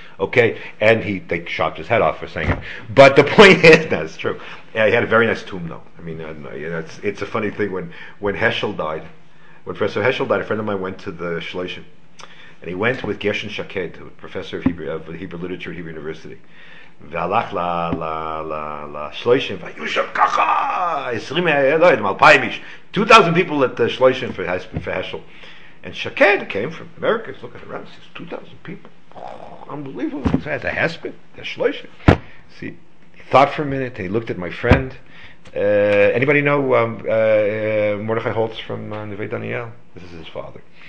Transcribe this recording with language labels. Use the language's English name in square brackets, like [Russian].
[English] Okay, and they chopped his head off for saying it. But the point is, that's true. Yeah, he had a very nice tomb, though. I mean, it's a funny thing when Professor Heschel died, a friend of mine went to the Shloshim. And he went with Gershon Shaked, a professor of Hebrew literature at Hebrew University. [Hebrew] והלך לשלושים, והיו שם ככה, 20, לא יודע, 2,000 איש, [English] 2,000 people at the שלושים for Heschel. And Shaked came from America, look at around, 2,000 people. Unbelievable. So that's a Hespin, that's שלושים. See, he thought for a minute, and he looked at my friend. Anybody know Mordechai Holtz from Neve Daniel? This is his father.